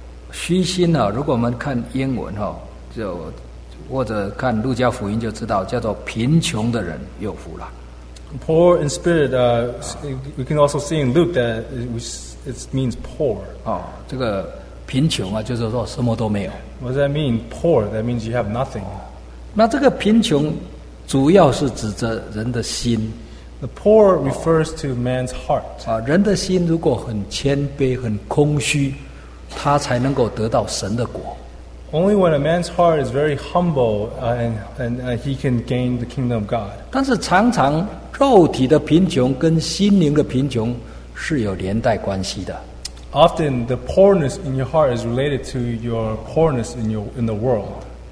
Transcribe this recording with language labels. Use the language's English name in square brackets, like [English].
[Chinese] 虚心啊, 如果我们看英文, 就, 或者看路加福音就知道, 叫做贫穷的人有福了。 [English] Poor in spirit, we can also see in Luke that it means poor. [Chinese] 哦, 这个贫穷啊, 就是说什么都没有。 [English] What does that mean, poor? That means you have nothing. 哦, [Chinese] 那这个贫穷, 主要是指着人的心。 [English] The poor refers to man's heart. [Chinese] 哦, 人的心如果很谦卑, 很空虚, 他才能够得到神的果。 [English] Only when a man's heart is very humble and he can gain the kingdom of God. [Chinese] 但是常常肉体的贫穷跟心灵的贫穷是有连带关系的。 [English] Often the poorness in your heart is related to your poorness in the world.